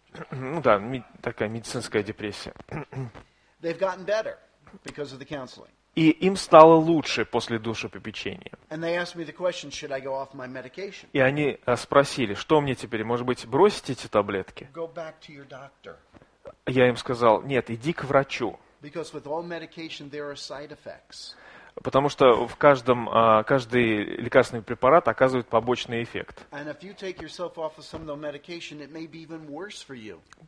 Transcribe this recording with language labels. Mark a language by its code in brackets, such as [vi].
[ru] Ну да, такая медицинская депрессия. [en] They've gotten better. Because of the counseling. [ru] И им стало лучше после душепопечения. [en] And they asked me the question, should I go off my medication? [ru] И они спросили, что мне теперь, может быть, бросить эти таблетки? [en] Go back to your doctor. [ru] Я им сказал, нет, иди к врачу. [en] Because with all medication there are side effects. [ru] Потому что в каждом, каждый лекарственный препарат оказывает побочный эффект. [en] And if you take yourself off of some of the medication, it may be even worse for you.